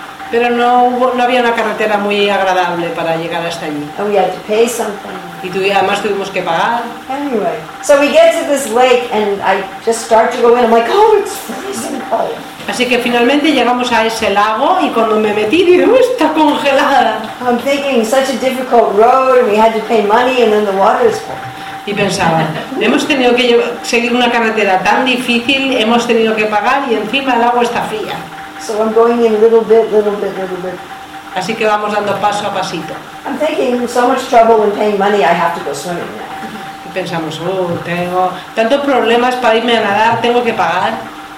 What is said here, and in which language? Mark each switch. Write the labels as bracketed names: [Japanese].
[Spanish] Pero no había una carretera muy agradable para llegar hasta allí. [English] And we had to pay something. [Spanish] Y además tuvimos que pagar. [English] Anyway, so we get to this lake and I just start to go in. I'm like, oh, it's freezing cold. [Spanish] Así que finalmente llegamos a ese lago y cuando me metí dije, oh, está congelada. [English] I'm thinking, such a difficult road and we had to pay money and then the water is cold. [Spanish] Y pensaba, hemos tenido que seguir una carretera tan difícil, hemos tenido que pagar y encima el agua está fría. [English] So I'm going in little bit. [Spanish] Así que vamos dando paso a pasito. [English] I'm thinking so much trouble in paying money, I have to go swimming. [Spanish] Y pensamos, tengo tantos problemas para irme a nadar, tengo que pagar.